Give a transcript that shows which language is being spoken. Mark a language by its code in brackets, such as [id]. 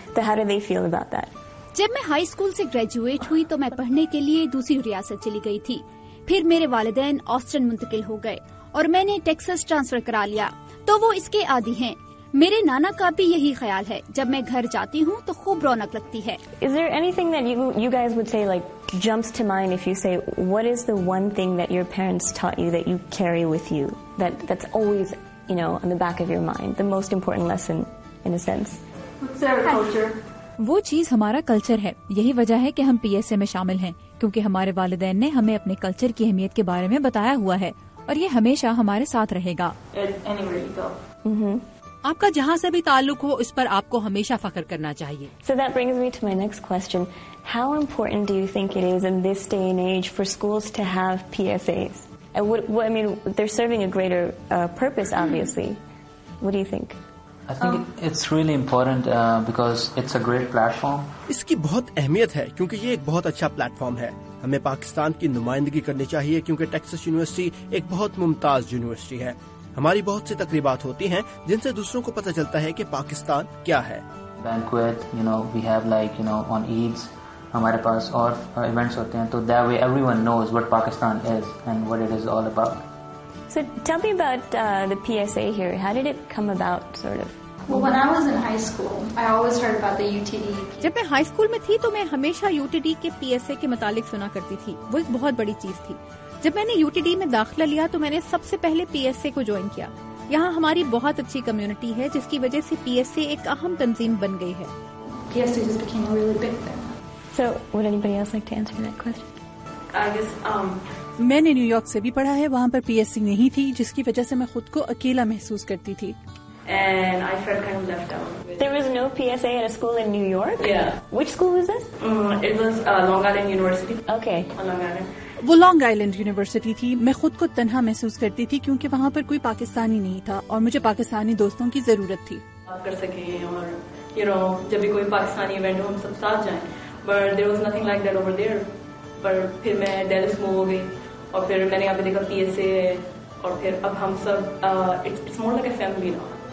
[en] تو how do they feel about that? [ur] جب میں ہائی اسکول سے گریجویٹ ہوئی تو میں پڑھنے کے لیے دوسری ریاست چلی گئی تھی. پھر میرے والدین آسٹن منتقل ہو گئے اور میں نے ٹیکساس ٹرانسفر کرا لیا, تو وہ اس کے عادی ہیں. میرے نانا کا بھی یہی خیال ہے, جب میں گھر جاتی ہوں تو خوب رونق لگتی ہے. [en] Is there anything that you guys would say like jumps to mind if you say what is the one thing that your parents taught you that you carry with you that's always, you know, on the back of your mind, the most important lesson in a sense? What's our culture? [ur] وہ چیز ہمارا culture ہے. یہی وجہ ہے کہ ہم P S A میں شامل ہیں, کیونکہ ہمارے والدین نے ہمیں اپنے کلچر کی اہمیت کے بارے میں بتایا ہوا ہے اور یہ ہمیشہ ہمارے ساتھ رہے گا. آپ کا جہاں سے بھی تعلق ہو اس پر آپ کو ہمیشہ فخر کرنا چاہیے. [en] So that brings me to my next question. How important do you think it is in this day and age for schools to have PSAs? And what I mean, they're serving a greater purpose obviously. What do you think? [ur] اس کی بہت اہمیت ہے کیونکہ یہ ایک بہت اچھا plate form ہے. ہمیں پاکستان کی نمائندگی کرنی چاہیے کیونکہ ٹیکساس یونیورسٹی ایک بہت ممتاز یونیورسٹی ہے. ہماری بہت سی تقریبات ہوتی ہیں جن سے دوسروں کو پتہ چلتا ہے کہ پاکستان کیا ہے. [en] Banquet, you know, we have like, you know, on Eids, [ur] ہمارے پاس اور ایونٹس ہوتے ہیں, تو [en] that way everyone knows what Pakistan is and what it is all about. So tell me about the PSA here. How did it come about, sort of? [ur] جب میں high school میں تھی تو میں ہمیشہ یو ٹی ڈی کے P S A کے متعلق سنا کرتی تھی. وہ ایک بہت بڑی چیز تھی. جب میں نے یو ٹی ڈی میں داخلہ لیا تو میں نے سب سے پہلے پی ایس اے کو جوائن کیا. یہاں ہماری بہت اچھی کمیونٹی ہے جس کی وجہ سے پی ایس اے ایک اہم تنظیم بن گئی ہے. میں نے نیو یارک سے بھی پڑھا ہے, وہاں پر پی ایس اے نہیں تھی, جس کی وجہ سے میں خود کو اکیلا محسوس کرتی تھی. [en] And I felt kind of left out. There was no PSA at a school in New York? Yeah. Which school was this? It was Long Island University. Okay. Long Island. [ur] وہ لانگ آئلینڈ یونیورسٹی تھی. میں خود کو تنہا محسوس کرتی تھی کیونکہ وہاں پر کوئی پاکستانی نہیں تھا اور مجھے پاکستانی دوستوں کی ضرورت تھی. بات کر سکیں اور یو نو جب بھی کوئی پاکستانی ایونٹ ہو ہم سب ساتھ جائیں. [en] But there was nothing like that over there. [ur] پر پھر میں ڈیلس موو ہو گئی اور پھر میں نے یہاں پہ دیکھا پی ایس اے, اور پھر اب ہم سب [en] It's more like a family now.